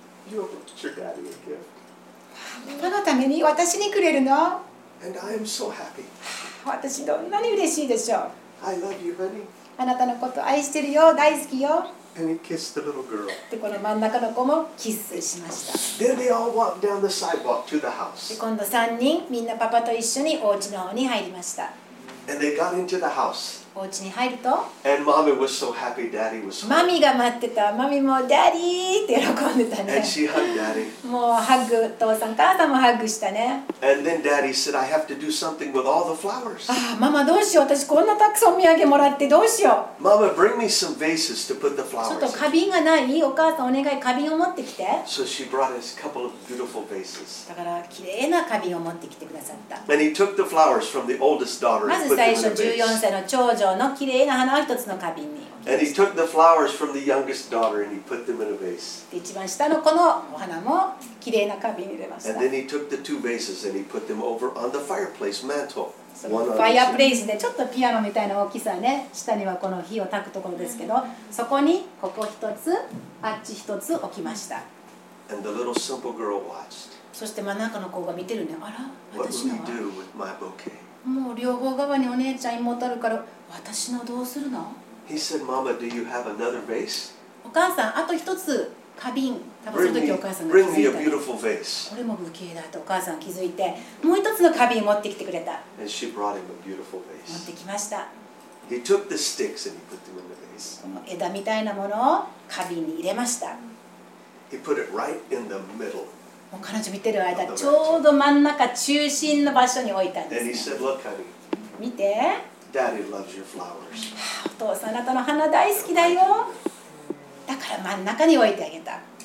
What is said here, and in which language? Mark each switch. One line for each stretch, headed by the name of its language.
English: You opened your daddy a gift.
Japanese: パパのために私にくれるの？
English: And I am so happy.
Japanese: 私どんなに嬉しいでしょう。
English: I love you, honey.
Japanese: あなたのこと愛してるよ、大好きよ。
English: And he kissed the little girl.
Japanese: でこの真ん中の子もキスしました。
English: Then they all walked down the sidewalk to the house.
Japanese: で今度3人みんなパパと一緒にお家の方に入りました。
English: And they got into the house.
Japanese: お家に入ると、
English: And mommy was so happy, daddy was
Japanese: home. マミが待ってた。マミもダディーって喜んでたね。
English: And she hugged daddy.
Japanese: もうハグ、父さん、母さんもハグしたね。
English: And then daddy said, I have to do something with all the flowers.
Japanese: ああ、ママどうしよう。私こんなたくさんお土産もらってどうしよう。
English: Mama, bring me some vases to put the flowers.
Japanese: ちょっと花瓶がない？お母さんお願い、花瓶を持ってきて。
English: So she brought us a couple of beautiful vases.
Japanese: だから綺麗な花瓶を持ってきてくださった。
English: And he took the flowers from the oldest daughter and put them in a vase.
Japanese: まず最初14歳の長女の綺麗な花を一つの花瓶に。
English: And he took the flowers from the youngest daughter and he put them in a vase.
Japanese: 一番下の子のお花も綺麗な花瓶に入れました。
English: And then he took the two vases and he put them over on the fireplace mantle.
Japanese: ファイアプレイスでちょっとピアノみたいな大きさね、下にはこの火を焚くところですけど、そこにここ一つ、あっち一つ置きました。
English: And the little simple girl watched.
Japanese: そして真ん中の子が見てるね。あら、私のは。
English: What will he do with my bouquet?
Japanese: もう両方側にお姉ちゃん妹あるから私のどうするの？
English: He said, Mama, do you have another vase?
Japanese: お母さんあと一つ花瓶多分その時お母さんが
English: Bring me a beautiful vase.
Japanese: これもブーケだとお母さん気づいてもう一つの花瓶持ってきてくれた。
English: And she brought him a beautiful vase.
Japanese: 持ってきました。
English: He took the sticks and he put them in the vase.
Japanese: この枝みたいなものを花瓶に入れました。
English: He put it right in the middle.
Japanese: もう彼女見てる間ちょうど真ん中中心の場所に置いたんです、ね、
English: said, Look, honey,
Japanese: 見て
English: Daddy loves your flowers.
Japanese: お父さんあなたの花大好きだよだから真ん中に置いてあげた